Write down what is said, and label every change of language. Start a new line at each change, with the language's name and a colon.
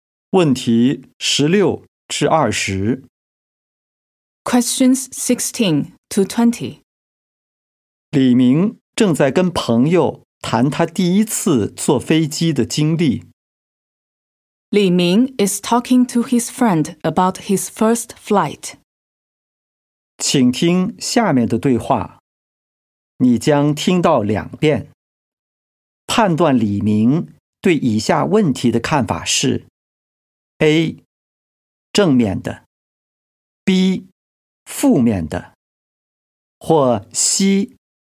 Chinese: 问题16至20。
English: Questions 16 to 20。
Chinese: 李明正在跟朋友谈他第一次坐飞机的经历。
English: 李明 is talking to his friend about his first flight.
Chinese: 请听下面的对话，你将听到两遍。判断李明对以下问题的看法是A. 正面的 B. 负面的或 C.